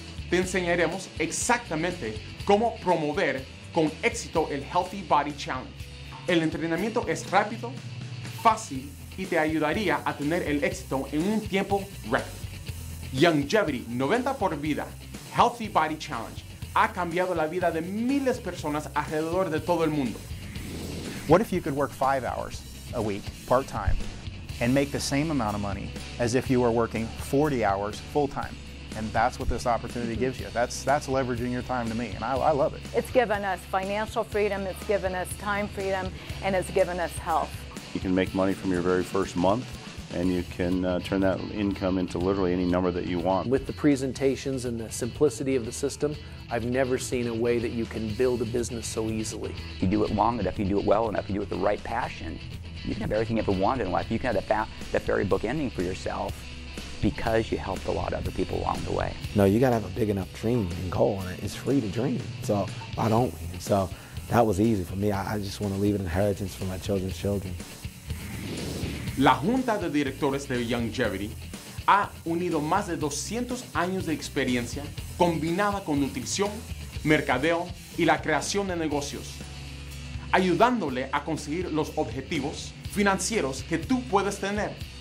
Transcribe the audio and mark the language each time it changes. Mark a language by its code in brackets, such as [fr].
[es] Te enseñaremos exactamente cómo promover con éxito el Healthy Body Challenge. El entrenamiento es rápido, fácil y te ayudaría a tener el éxito en un tiempo récord. Youngevity 90 por Vida Healthy Body Challenge ha cambiado la vida de miles de personas alrededor de todo el mundo. [en] What if you could work 5 hours a week, part-time, and make the same amount of money as if you were working 40 hours full-time? And that's what this opportunity gives you. That's leveraging your time to me, and I love it. It's given us financial freedom, it's given us time freedom, and it's given us health. You can make money from your very first month, and you can turn that income into literally any number that you want. With the presentations and the simplicity of the system, I've never seen a way that you can build a business so easily. If you do it long enough, you do it well enough, you do it with the right passion, you can have everything you ever wanted in life. You can have that fairy book ending for yourself because you helped a lot of other people along the way. No, you gotta have a big enough dream and goal, and it's free to dream. So why don't we? So that was easy for me. I just want to leave an inheritance for my children's children. [es] La Junta de Directores de Youngevity ha unido más de 200 años de experiencia combinada con nutrición, mercadeo y la creación de negocios, ayudándole a conseguir los objetivos financieros que tú puedes tener.